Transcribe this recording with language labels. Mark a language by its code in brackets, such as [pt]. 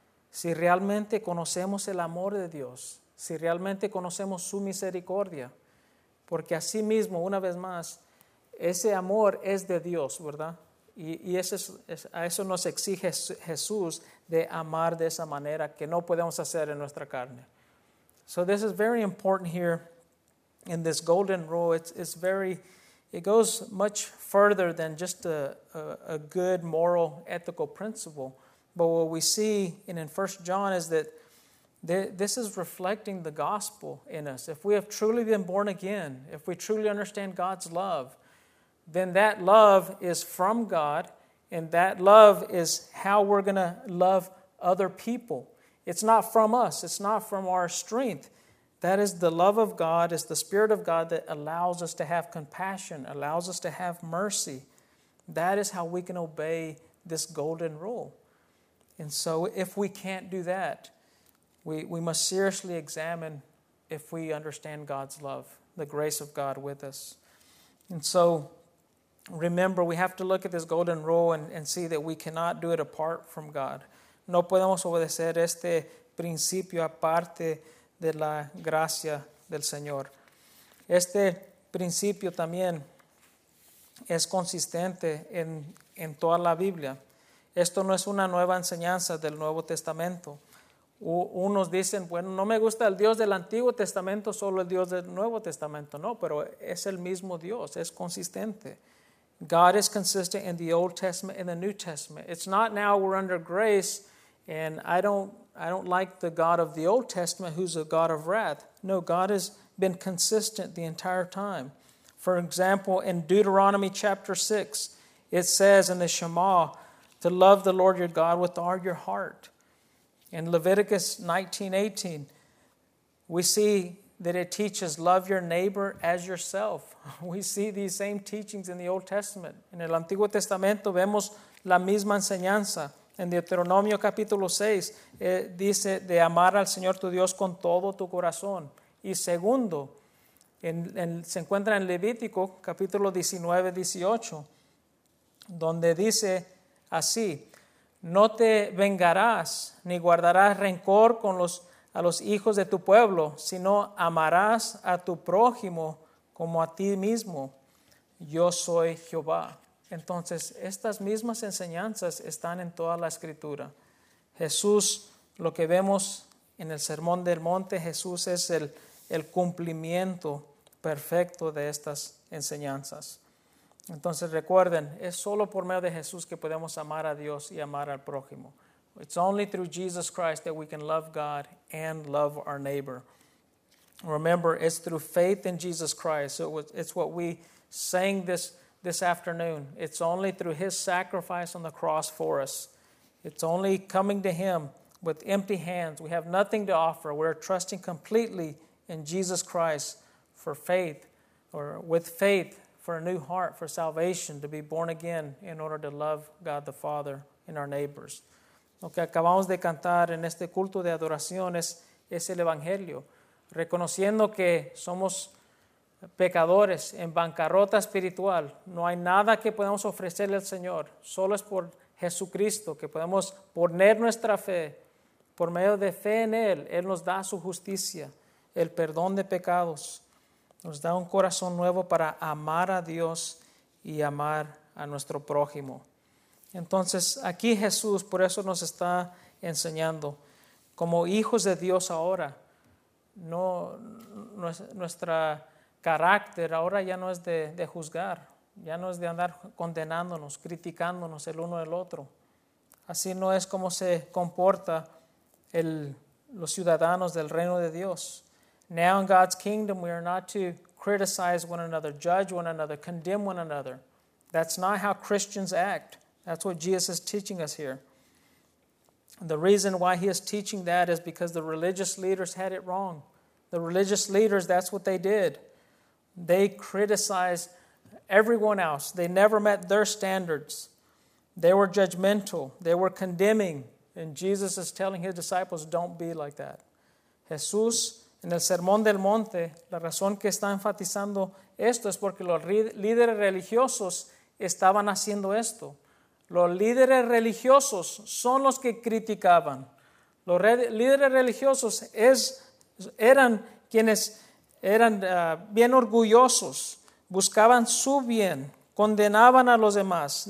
[es] Si realmente conocemos el amor de Dios, si realmente conocemos su misericordia, porque así mismo, una vez más, ese amor es de Dios, ¿verdad? Y eso es, a eso nos exige Jesús, de amar de esa manera que no podemos hacer en nuestra carne. [en] So this is very important here in this golden rule. It goes much further than just a good moral ethical principle. But what we see in 1 John is that this is reflecting the gospel in us. If we have truly been born again, if we truly understand God's love, then that love is from God, and that love is how we're going to love other people. It's not from us. It's not from our strength. That is the love of God. It's the Spirit of God that allows us to have compassion, allows us to have mercy. That is how we can obey this golden rule. And so if we can't do that, we must seriously examine if we understand God's love, the grace of God with us. And so, remember, we have to look at this golden rule and see that we cannot do it apart from God. [es] No podemos obedecer este principio aparte de la gracia del Señor. Este principio también es consistente en toda la Biblia. Esto no es una nueva enseñanza del Nuevo Testamento. Unos dicen, bueno, no me gusta el Dios del Antiguo Testamento, solo el Dios del Nuevo Testamento. No, pero es el mismo Dios, es consistente. [en] God is consistent in the Old Testament and the New Testament. It's not now we're under grace and I don't like the God of the Old Testament who's a God of wrath. No, God has been consistent the entire time. For example, in Deuteronomy chapter 6, it says in the Shema to love the Lord your God with all your heart. In Leviticus 19:18, we see that it teaches love your neighbor as yourself. We see these same teachings in the Old Testament. [es] En el Antiguo Testamento vemos la misma enseñanza. En Deuteronomio capítulo 6 dice de amar al Señor tu Dios con todo tu corazón. Y segundo, se encuentra en Levítico capítulo 19, 18, donde dice así: no te vengarás ni guardarás rencor con a los hijos de tu pueblo, sino amarás a tu prójimo como a ti mismo. Yo soy Jehová. Entonces, estas mismas enseñanzas están en toda la Escritura. Jesús, lo que vemos en el Sermón del Monte, Jesús es el cumplimiento perfecto de estas enseñanzas. Entonces, recuerden, es solo por medio de Jesús que podemos amar a Dios y amar al prójimo. [en] It's only through Jesus Christ that we can love God and love our neighbor. Remember, it's through faith in Jesus Christ. So it's what we sang this afternoon. It's only through his sacrifice on the cross for us. It's only coming to him with empty hands. We have nothing to offer. We're trusting completely in Jesus Christ for faith, or with faith for a new heart, for salvation, to be born again in order to love God the Father and our neighbors. [es] Lo que acabamos de cantar en este culto de adoración es el Evangelio. Reconociendo que somos pecadores en bancarrota espiritual, no hay nada que podamos ofrecerle al Señor. Solo es por Jesucristo que podemos poner nuestra fe. Por medio de fe en Él, Él nos da su justicia, el perdón de pecados. Nos da un corazón nuevo para amar a Dios y amar a nuestro prójimo. Entonces, aquí Jesús, por eso nos está enseñando, como hijos de Dios ahora, no, nuestra carácter ahora ya no es de juzgar, ya no es de andar condenándonos, criticándonos el uno al otro. Así no es como se comporta los ciudadanos del reino de Dios. [en] Now in God's kingdom, we are not to criticize one another, judge one another, condemn one another. That's not how Christians act. That's what Jesus is teaching us here. And the reason why he is teaching that is because the religious leaders had it wrong. The religious leaders, that's what they did. They criticized everyone else. They never met their standards. They were judgmental. They were condemning. And Jesus is telling his disciples, don't be like that. [es] Jesús, en el Sermón del Monte, la razón que está enfatizando esto es porque los líderes religiosos estaban haciendo esto. Los líderes religiosos son los que criticaban. Los líderes religiosos eran quienes eran bien orgullosos, buscaban su bien, condenaban a los demás.